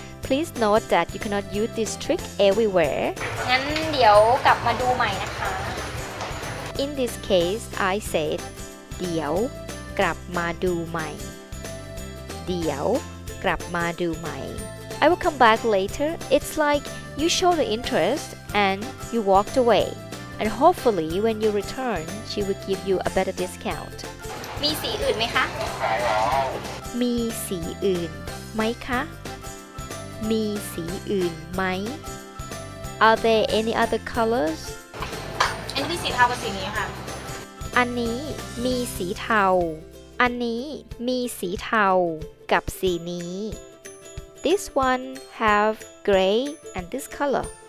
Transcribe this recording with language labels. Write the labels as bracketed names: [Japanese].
[English] Please note that you cannot use this trick everywhere. [Thai] งั้นเดี๋ยวกลับมาดูใหม่นะคะ [English] In this case, I said, [Thai] เดี๋ยวกลับมาดูใหม่เดี๋ยวกลับมาดูใหม่ [English] I will come back later. It's like you show the interest and you walked away. And hopefully, when you return, she will give you a better discount. [Thai] มีสีอื่นไหมคะ มีสีอื่นไหมคะ มีสีอื่นไหม [English] Are there any other colors? [Thai] อันนี้สีเทากับสีนี้ค่ ะ อันนี้มีสีเทา อันนี้มีสีเทากับสีนี้ [English] This one have gray and this color.